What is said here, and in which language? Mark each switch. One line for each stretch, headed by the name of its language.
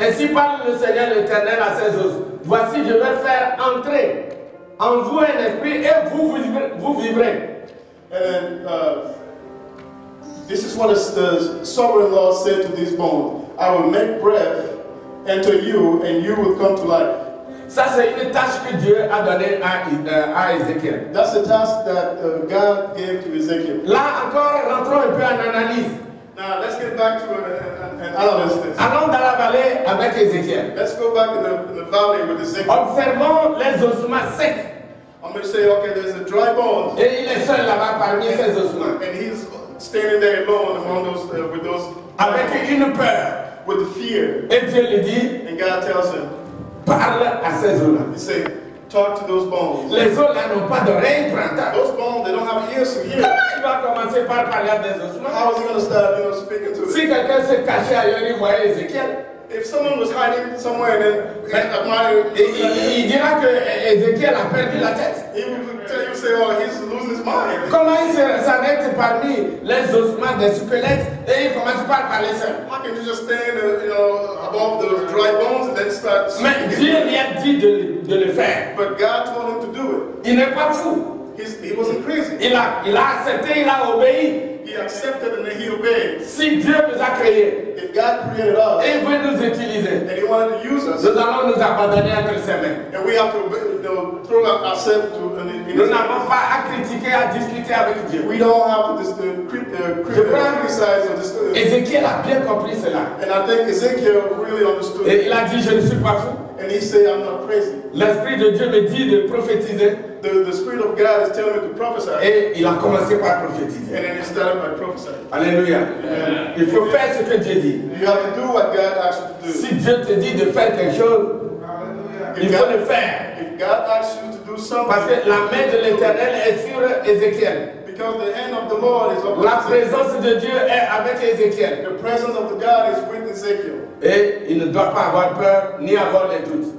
French: Ainsi parle le Seigneur l'Éternel à ces eaux. Voici, je vais faire entrer en vous un esprit et vous vivrez.
English: And this is what the sovereign Lord said to these bones. I will make breath enter you and you will come to life.
French: Ça, c'est une tâche que Dieu a donnée à Ézéchiel.
English: That's the task that God gave to Ezekiel.
French: Là encore, rentrons un peu en analyse.
English: Now, let's get back to an analysis.
French: Allons dans la vallée avec Ézéchiel.
English: Let's go back in the valley with Ezekiel.
French: Observons les ossements secs.
English: I'm going to say, okay, there's a dry bone.
French: Et il est seul là-bas parmi ces ossements.
English: And he's standing there alone among those, with those...
French: Avec une peur.
English: With fear.
French: Et Dieu lui dit...
English: And God tells him...
French: Parle à ces eaux-là.
English: He said, talk to those bones.
French: Les eaux-là n'ont pas d'oreilles pour entendre.
English: Those bones, they don't have ears to hear.
French: Comment il va commencer par parler à des ossements?
English: How is he going to start, you know, speaking to them?
French: Si quelqu'un se cachait ailleurs, il voyait Ézéchiel.
English: If someone was hiding somewhere, then
French: il dira que Ézéchiel a perdu la tête.
English: He would tell you, say, oh, he's losing his mind.
French: Comment ils savaient parmi les ossements des squelettes et ils commencent par parler ça.
English: How can you just stand, above the dry bones and then start speaking?
French: Mais Dieu lui a dit de le faire.
English: But God told him to do it.
French: Il n'est pas fou.
English: He wasn't crazy.
French: Il a accepté, il a obéi.
English: He accepted and then he obeyed.
French: Si Dieu nous a créé,
English: if God created us,
French: et il veut nous utiliser,
English: and he wanted to use us,
French: nous allons nous abandonner entre les mains.
English: And we have to throw ourselves to an
French: nous n'avons pas à critiquer, à discuter avec Dieu.
English: We don't have to criticize or discuss.
French: Ezekiel a bien compris cela.
English: And I think Ezekiel really understood.
French: Et il a dit, je ne suis pas fou.
English: And he said, I'm not crazy.
French: L'Esprit de Dieu me dit de prophétiser.
English: The Spirit of God is telling me to prophesy.
French: Et il a commencé par prophétiser.
English: And then he started by prophesying.
French: Alléluia. Il faut faire ce que Dieu dit.
English: You have to do what God asks you to do.
French: Si Dieu te dit de faire quelque chose, il faut le faire.
English: If God asks you to do something,
French: parce que la main de l'Éternel est sur Ézéchiel.
English: Because the hand of the Lord is upon
French: la présence de Dieu est avec Ézéchiel.
English: The presence of the God is with Ezekiel.
French: Et il ne doit pas avoir peur ni avoir les doutes.